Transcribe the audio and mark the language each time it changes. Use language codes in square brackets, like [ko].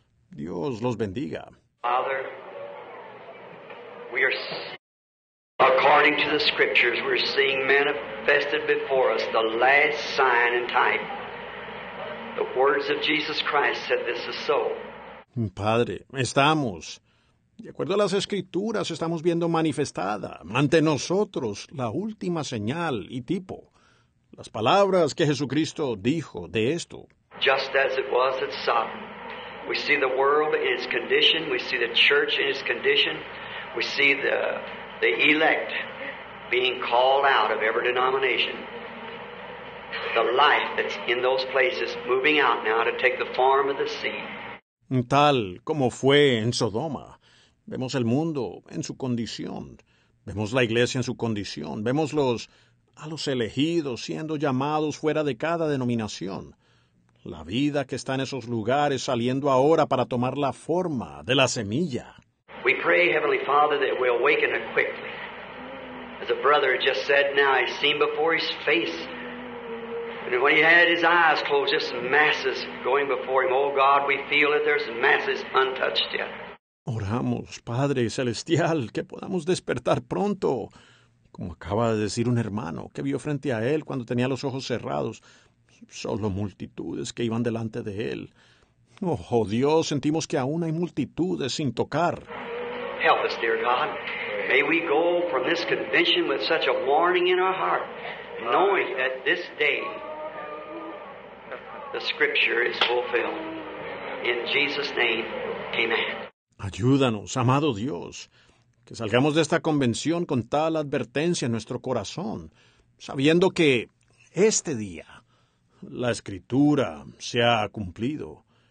[es] Dios los bendiga. [en] Father, we are according to the scriptures, we're seeing manifested before us the last sign and type. The words of Jesus Christ said this is so. [es] Padre, estamos. De acuerdo a las escrituras, estamos viendo manifestada ante nosotros la última señal y tipo. Las palabras que Jesucristo dijo de esto. [en] Just as it was at Sodom. We see the world in its condition. We see the church in its condition. We see the elect being called out of every denomination. The life that's in those places moving out now to take the form of the seed. [es] Tal como fue en Sodoma, vemos el mundo en su condición. Vemos la iglesia en su condición. Vemos a los elegidos siendo llamados fuera de cada denominación. La vida que está en esos lugares saliendo ahora para tomar la forma de la semilla. [en] We pray, Heavenly Father, that we awaken it quickly. As a brother just said now, he's seen before his face. And when he had his eyes closed, just masses going before him. Oh God, we feel that there's masses untouched yet. [es] Oramos, Padre Celestial, que podamos despertar pronto. Como acaba de decir un hermano que vio frente a él cuando tenía los ojos cerrados, solo multitudes que iban delante de él. Oh, Dios, sentimos que aún hay multitudes sin tocar. [en] Help us, dear God. May we go from this convention with such a warning in our heart, knowing that this day the scripture is fulfilled. In Jesus' name, amen. [es] Ayúdanos, amado Dios, que salgamos de esta convención con tal advertencia en nuestro corazón, sabiendo que este día la escritura se ha cumplido.